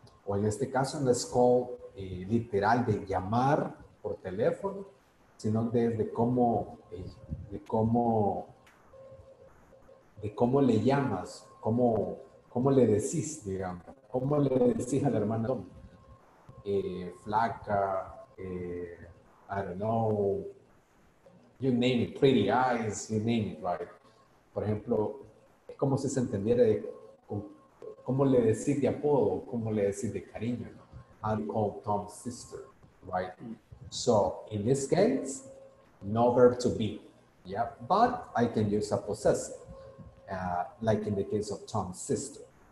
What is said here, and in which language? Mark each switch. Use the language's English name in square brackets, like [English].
[Spanish] O en este caso no es call literal de llamar por teléfono, sino de cómo le llamas, cómo le decís, digamos. ¿Cómo le decís al hermano? [English] Flaca, I don't know, you name it, pretty eyes, you name it, right? [Spanish] Por ejemplo, es como si se entendiera de cómo le decís de apodo, cómo le decís de cariño, ¿no? [English] I'm called Tom's sister, right? So, in this case, no verb to be, yeah? But I can use a possessive, like in the case of Tom's sister.